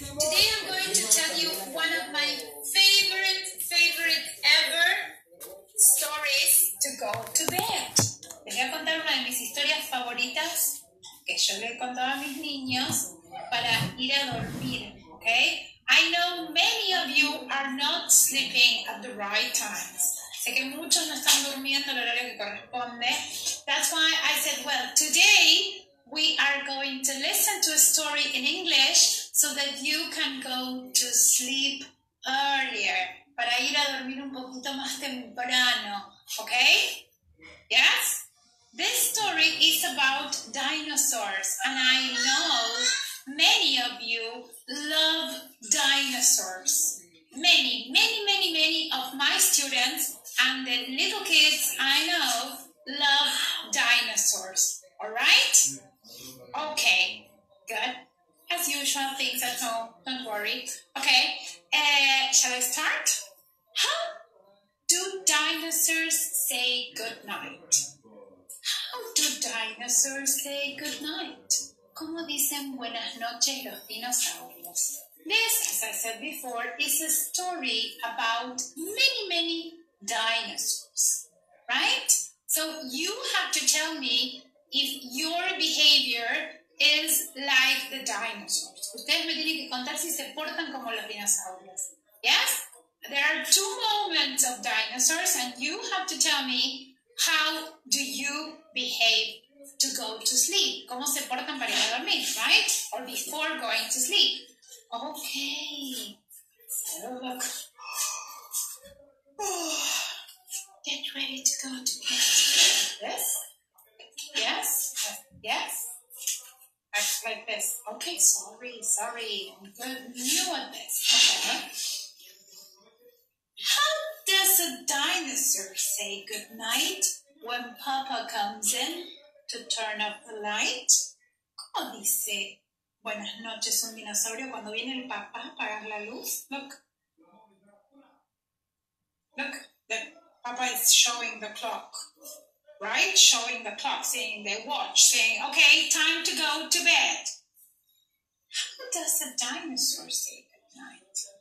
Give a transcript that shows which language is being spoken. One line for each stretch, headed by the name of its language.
English: Today I'm going to tell you one of my favorite ever stories to go to bed.
Spanish: Les voy a contar una de mis historias favoritas que yo le he contado a mis niños para ir a dormir, okay?
English: I know many of you are not sleeping at the right times.
Spanish: Sé que muchos no están durmiendo el horario que corresponde.
English: That's why I said, well, today we are going to listen to a story in English so that you can go to sleep earlier.
Spanish: Para ir a dormir un poquito más temprano.
English: Okay? Yes? This story is about dinosaurs. And I know many of you love dinosaurs. Many of my students and the little kids I know love dinosaurs. Alright? Okay, good. As usual, things at home, don't worry. Okay, shall I start? How do dinosaurs say goodnight? How do dinosaurs say goodnight?
Spanish: ¿Cómo dicen buenas noches los dinosaurios?
English: This, as I said before, is a story about many dinosaurs, right? So you have to tell me if your behavior is like the dinosaurs.
Spanish: Ustedes me tienen que contar si se portan como los dinosaurios.
English: Yes? There are two moments of dinosaurs and you have to tell me how do you behave to go to sleep.
Spanish: ¿Cómo se portan para ir a dormir, right?
English: Or before going to sleep. Okay. So look. Get ready to go to bed. Yes? Yes? Act like this. Okay, sorry. I'm new at this. Okay. How does a dinosaur say goodnight when Papa comes in to turn off the light?
Spanish: ¿Cómo dice buenas noches un dinosaurio cuando viene el papá a apagar la luz?
English: Look, the papa is showing the clock. Right? Showing the clock, saying the watch, saying, okay, time to go to bed. How does a dinosaur say goodnight?